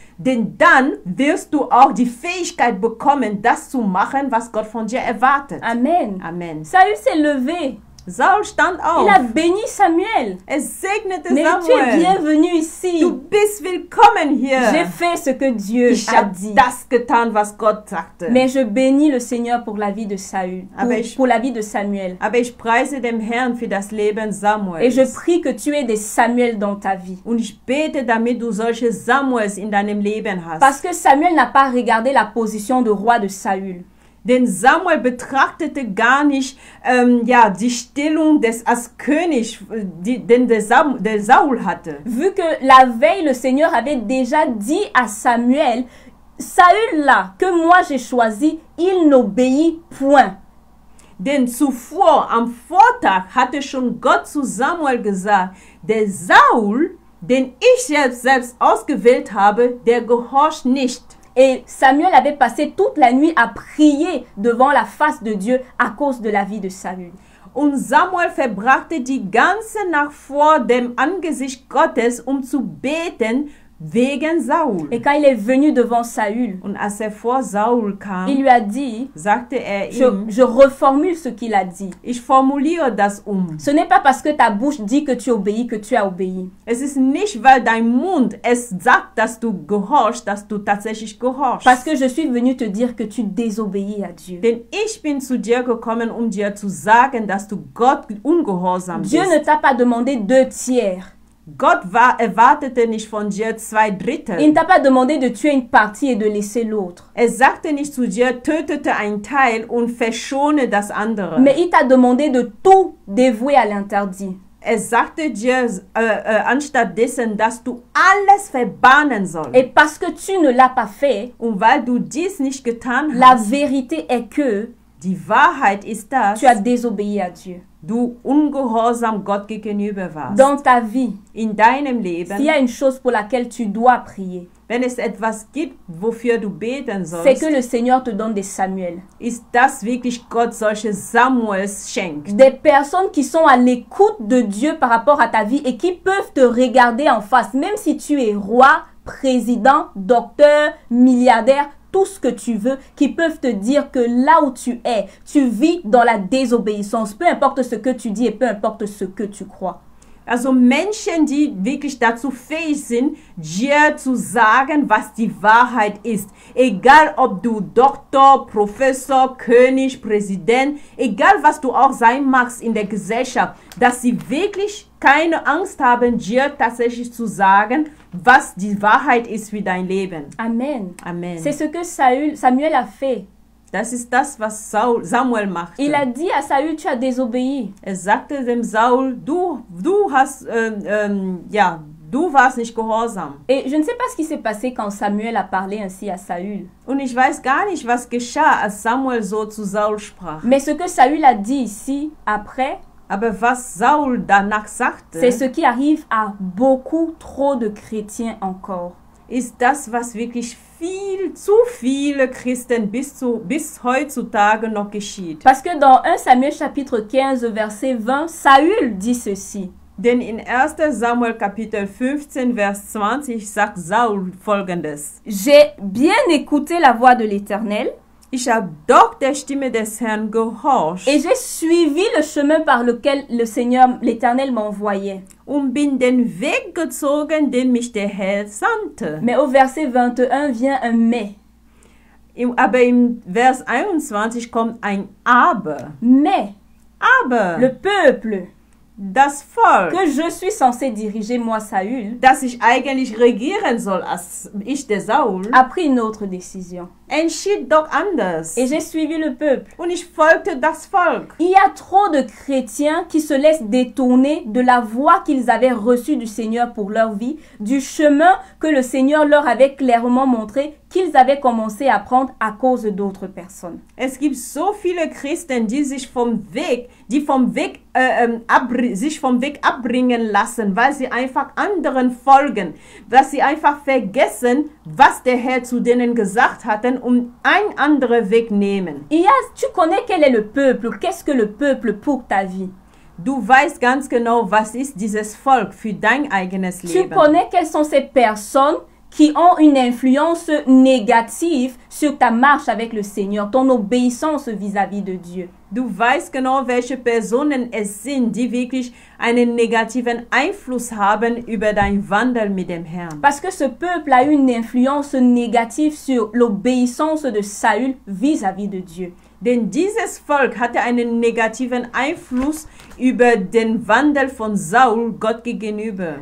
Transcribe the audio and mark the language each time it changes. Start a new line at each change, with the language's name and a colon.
German: Denn dann wirst du auch die Fähigkeit bekommen, das zu machen, was Gott von dir erwartet. Amen. Amen.
French: Saul s'est levé.
German: Saul stand auf.
French: Il a béni Samuel.
German: Er segnete
French: Mais Samuel. Tu es bienvenu ici.
German: Du bist willkommen hier.
French: J'ai fait ce que Dieu
German: ich
French: a dit.
German: Das getan, was Gott sagte.
French: Mais je bénis le Seigneur pour la vie de Saul. Pour la vie de Samuel.
German: Aber ich preise dem Herrn für das Leben Samuels.
French: Et je prie que tu aies des Samuels dans ta vie.
German: Und ich bete, damit du solche Samuels in deinem Leben hast.
French: Parce que Samuel n'a pas regardé la position de roi de Saul.
German: Denn Samuel betrachtete gar nicht die Stellung des als König, den Saul hatte.
French: Vu que la veille le Seigneur avait déjà dit à Samuel, Saül là que moi j'ai choisi, il n'obéit point.
German: Denn zuvor am Vortag hatte schon Gott zu Samuel gesagt, der Saul, den ich selbst ausgewählt habe, der gehorcht nicht.
French: Et Samuel avait passé toute la nuit à prier devant la face de Dieu à cause de la vie de Saül.
German: Und Samuel verbrachte die ganze Nacht vor dem Angesicht Gottes, um zu beten wegen Saul.
French: Et quand il est venu devant Saül,
German: und als er vor Saul kam,
French: il lui a dit,
German: sagte er ihm,
French: je reformule ce qu'il a dit.
German: Ich formuliere das
French: Ce n'est pas parce que ta bouche dit que tu obéis que tu as obéi.
German: Es ist nicht, weil dein Mund es sagt, dass du gehorchst, dass du tatsächlich gehorchst.
French: Parce que je suis venu te dire que tu désobéis à Dieu.
German: Denn ich bin zu dir gekommen, um dir zu sagen, dass du Gott ungehorsam bist.
French: Dieu ne t'a pas demandé deux tiers.
German: Gott war erwartete nicht von dir zwei Drittel.
French: Il ne t'a pas demandé de tuer une partie et de laisser l'autre.
German: Er sagte nicht zu dir, tötete ein Teil und verschone das andere.
French: Mais il t'a demandé de tout dévouer à l'interdit.
German: Er sagte dir anstatt dessen, dass du alles verbannen sollst.
French: Et parce que tu ne l'as pas fait,
German: und weil du dies nicht getan hast,
French: la vérité est que
German: die Wahrheit ist das,
French: tu as désobéi à Dieu.
German: Du ungehorsam Gott gegenüber warst.
French: Dans ta vie,
German: in deinem Leben,
French: s'il y a une chose pour laquelle tu dois prier,
German: wenn es etwas gibt, wofür du beten sollst,
French: c'est que le Seigneur te donne des Samuel.
German: Ist das wirklich Gott solche Samuels schenkt?
French: Des personnes qui sont à l'écoute de Dieu par rapport à ta vie et qui peuvent te regarder en face, même si tu es roi, président, docteur, milliardaire, tout ce que tu veux, qui peuvent te dire que là où tu es, tu vis dans la désobéissance, peu importe ce que tu dis et peu importe ce que tu crois.
German: Also Menschen, die wirklich dazu fähig sind, dir zu sagen, was die Wahrheit ist. Egal ob du Doktor, Professor, König, Präsident, egal was du auch sein magst in der Gesellschaft, dass sie wirklich keine Angst haben, dir tatsächlich zu sagen, was die Wahrheit ist für dein Leben. Amen. Amen.
French: C'est ce que Samuel a fait.
German: Das ist das, was Saul, Samuel macht.
French: Il a dit à Saül, tu as désobéi.
German: Er sagte dem Saul, du warst nicht gehorsam.
French: Et je ne sais pas ce qui s'est passé quand Samuel a parlé ainsi à Saül.
German: Und ich weiß gar nicht, was geschah, als Samuel so zu Saul sprach.
French: Mais ce que Saül a dit ici après.
German: Aber was Saul danach sagte,
French: c'est ce qui arrive à beaucoup trop de chrétiens encore.
German: Ist das, was wirklich viel zu viele Christen bis heutzutage noch geschieht.
French: Parce que dans 1 Samuel chapitre 15 verset 20, Saül dit ceci.
German: Denn in 1 Samuel Kapitel 15 vers 20 sagt Saul folgendes.
French: J'ai bien écouté la voix de l'Éternel.
German: Ich habe doch der Stimme des Herrn gehorcht.
French: Et j'ai suivi le chemin par lequel le Seigneur, l'Éternel m'envoyait.
German: Und bin den Weg gezogen, den mich der Herr sandte.
French: Mais au verset 21 vient un mais.
German: Aber im Vers 21 kommt ein aber.
French: Mais.
German: Aber.
French: Le peuple.
German: das Volk.
French: Que je suis censé diriger moi Saül.
German: Dass ich eigentlich regieren soll als ich der Saul.
French: A pris une autre décision.
German: Entschied doch anders.
French: Et j'ai suivi le peuple.
German: Und ich folgte das Volk.
French: Il y a trop de chrétiens qui se laissent détourner de la voie qu'ils avaient reçue du Seigneur pour leur vie, du chemin que le Seigneur leur avait clairement montré qu'ils avaient commencé à prendre à cause d'autres personnes.
German: Es gibt so viele Christen, die sich vom Weg, sich vom Weg abbringen lassen, weil sie einfach anderen folgen, dass sie einfach vergessen, was der Herr zu denen gesagt hatte, um einen anderen Weg nehmen.
French: Yes, tu connais quel est le peuple? Qu'est-ce que le peuple pour ta vie?
German: Du weißt ganz genau, was ist dieses Volk für dein eigenes Leben?
French: Tu connais quelles sont ces personnes qui ont une influence négative sur ta marche avec le Seigneur, ton obéissance vis-à-vis de Dieu.
German: Du weißt genau, welche Personen es sind, die wirklich einen negativen Einfluss haben über dein Wandel mit dem Herrn.
French: Parce que ce peuple a une influence négative sur l'obéissance de Saül vis-à-vis de Dieu.
German: Denn dieses Volk hatte einen negativen Einfluss über den Wandel von Saul Gott gegenüber.